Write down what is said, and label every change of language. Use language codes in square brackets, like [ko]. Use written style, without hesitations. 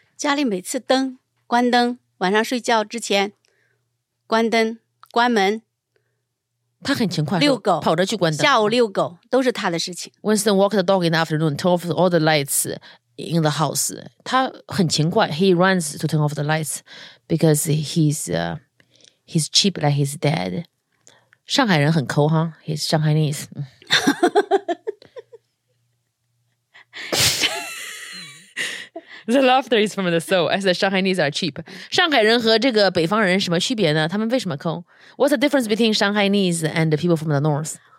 [zh] 家里每次灯,关灯,晚上睡觉之前,关灯,关门。他很勤快,跑着去关灯。下午遛狗,都是他的事情。 [en] Winston walked the dog in the afternoon, turned off all the lights, in the house. [zh] 他很勤快, [en] he runs to turn off the lights because he's cheap like his dad. [zh] 上海人很抠, [en] huh? He's Shanghainese. The laughter is from the soul. As the Shanghainese are cheap. [zh] 上海人和这个北方人什么区别呢？他们为什么抠？ [en] What's the difference between Shanghainese and the people from the north?